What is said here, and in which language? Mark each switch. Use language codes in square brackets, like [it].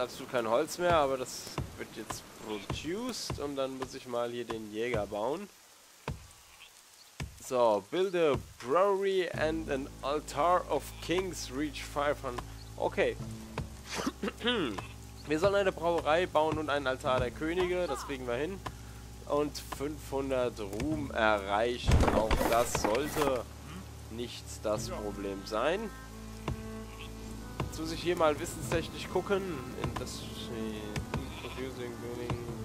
[de] Kein Holz mehr, aber das wird jetzt produced und dann muss ich mal hier den Jäger bauen. [en] So, build a brewery and an altar of kings reach 500. Okay. [de] Wir sollen eine Brauerei bauen und einen Altar der Könige, das kriegen wir hin. Und 500 Ruhm erreichen, auch das sollte nicht das Problem sein. Muss ich hier mal wissenstechnisch gucken in das Confusing Building.